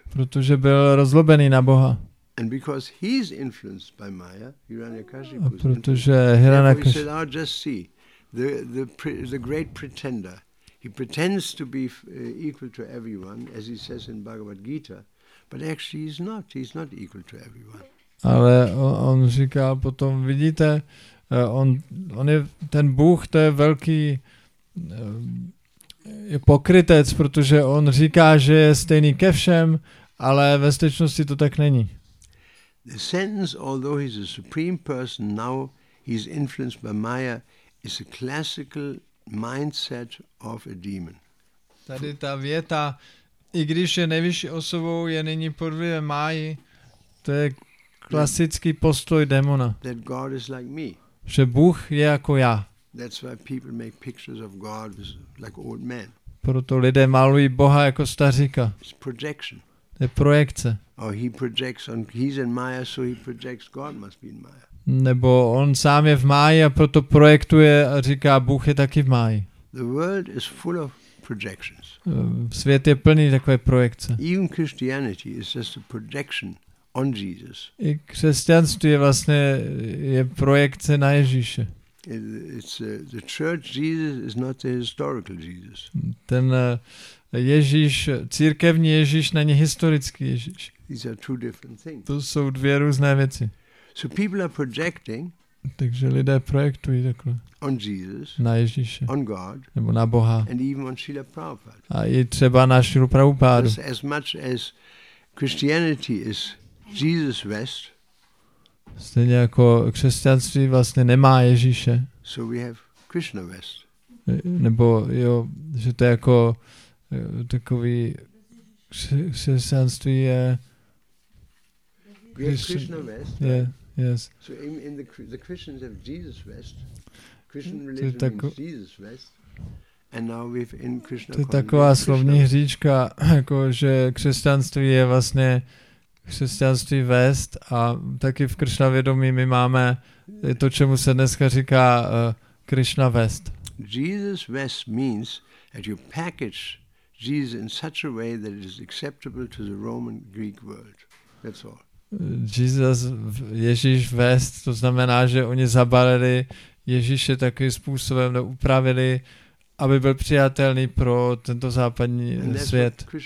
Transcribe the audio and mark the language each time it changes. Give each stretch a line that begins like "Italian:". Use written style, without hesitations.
Czech: Protože byl rozlobený na Boha.
English: And because he's influenced by Maya, Hiranyakashipu.
Czech: A protože Hiranyakashipu.
English: He said, just see the great pretender. He pretends to be equal to everyone, as he says in Bhagavad Gita, but actually he's not. He's not equal to everyone.
Czech: Ale on říká potom, vidíte, on je, ten Bůh, to je velký je pokrytec, protože on říká, že je stejný ke všem, ale ve skutečnosti to tak není.
English: The sentence, although he's a supreme person, now he's influenced by Maya, is a classical mindset of a demon.
Czech: Tady ta věta, i když je nejvyšší osobou, je nyní pod vlivem Máji, to je klasický postoj démona.
English: That God is like me.
Czech: Že Bůh je jako já.
English: That's why people make pictures of God as like old man.
Czech: Proto lidé malují Boha jako staříka.
English: It's projection.
Czech: To je projekce.
English: Or he projects on, he's in Maya, so he projects God must be in Maya.
Czech: Nebo on sám je v Máji a proto projektuje a říká, Bůh je taky v Máji.
English: The world is full of projections.
Czech: Svět je plný takové projekce.
English: Even Christianity is just a projection. On Jesus.
Czech: I křesťanství je vlastně je projekce na Ježíše.
English: The church Jesus is not the historical Jesus.
Czech: Ten Ježíš, církevní Ježíš není historický Ježíš.
English: These are two different things.
Czech: To jsou dvě různé věci.
English: So people are projecting.
Czech: Takže lidé projektují takhle.
English: On Jesus.
Czech: Na Ježíše.
English: On God.
Czech: Nebo na Boha.
English: And even on Srila Prabhupada.
Czech: A i třeba na Srila Prabhupádu.
English: As much as Christianity is Jesus West.
Czech: Stejně jako křesťanství vlastně nemá Ježíše. So we have Krishna West. Nebo jo, že to je jako takový křesťanství je.
English: We have Krishna West. Yeah. Yes. So in the Christians have Jesus West. Christian religion is Jesus West. And now we've in Krishna.
Czech: To je taková slovní hříčka, jako že křesťanství je vlastně křesťanství West a taky v Krishna vědomí my máme to, čemu se dneska říká Krishna West.
English: Jesus West means that you package Jesus in such a way that it is acceptable to the Roman Greek world. That's all.
Czech: Jesus, Ježíš West, to znamená, že oni zabalili Ježíše takovým způsobem, upravili, aby byl přijatelný pro tento západní svět.